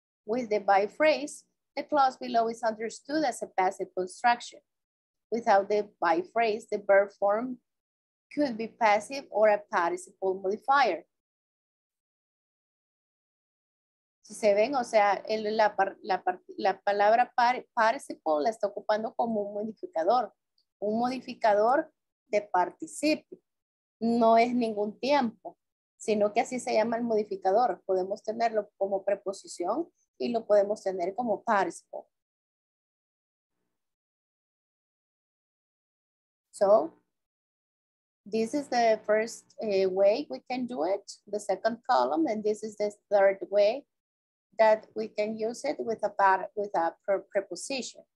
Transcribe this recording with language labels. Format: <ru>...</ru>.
<en>With the by phrase, the clause below is understood as a passive construction. Without the by phrase, the verb form could be passive or a participle modifier.</en> <es>Si se ven, o sea, la palabra participle la está ocupando como un modificador de participio. No es ningún tiempo, sino que así se llama el modificador. Podemos tenerlo como preposición y lo podemos tener como participle.</es> <en>So, this is the first way we can do it, the second column, and this is the third way that we can use it with a preposition.</en>